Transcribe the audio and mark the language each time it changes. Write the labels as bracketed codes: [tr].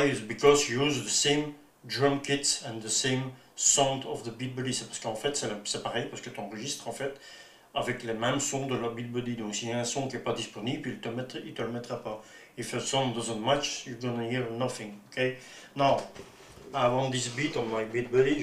[en] It's because you use the same drum kits and the same sound of the Beatbuddy. [fr] C'est parce qu'en fait, c'est pareil, parce que ton registre, en fait, avec les mêmes sons de la Beatbuddy. Donc s'il y a un son qui n'est pas disponible, il te le mettra pas. [en] If a song doesn't match, you're gonna hear nothing. Okay? Now, I want this beat on my Beatbuddy.